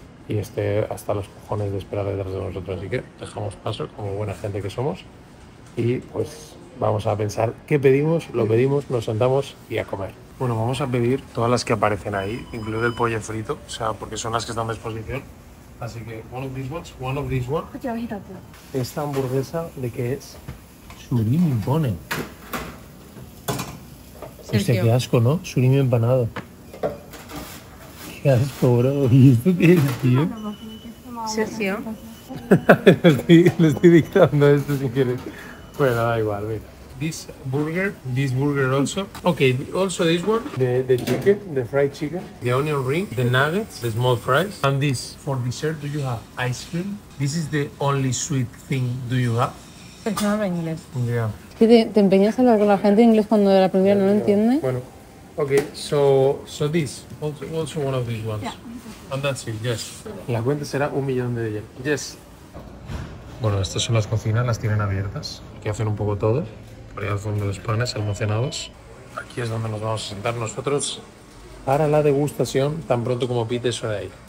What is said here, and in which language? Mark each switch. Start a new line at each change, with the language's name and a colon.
Spanish: Y esté hasta los cojones de esperar detrás de nosotros. Así que dejamos paso, como buena gente que somos. Y pues vamos a pensar qué pedimos, lo pedimos, nos sentamos y a comer. Bueno, vamos a pedir todas las que aparecen ahí, incluido el pollo frito, o sea, porque son las que están a disposición. Así que,
English: one of these ones, one of these ones.
Spanish: Esta hamburguesa, ¿de qué es? Surimi, pone. Hostia, qué Sergio. asco, ¿no? Surimi empanado. Qué asco, bro. ¿Y esto qué es, tío? Sergio. Le estoy dictando esto si quieres. Bueno, da igual, mira.
English: This burger also. Okay, also this one. The chicken, the fried chicken. The onion ring, the nuggets, the small fries. And this, for dessert, do you have ice cream? This is the only sweet thing do you have?
Spanish: Es que no habla inglés.
English: Yeah.
Spanish: ¿Qué te empeñas a hablar con la gente en inglés cuando de la primera no lo entiende?
English: Bueno, okay, so this, also one of these ones. Yeah. And that's it, yes.
Spanish: La cuenta será 1 millón de yen. Yes. Bueno, estas son las cocinas, las tienen abiertas. Aquí hacen un poco todo. Por ahí al fondo los panes almacenados. Aquí es donde nos vamos a sentar nosotros para la degustación tan pronto como pite eso de ahí.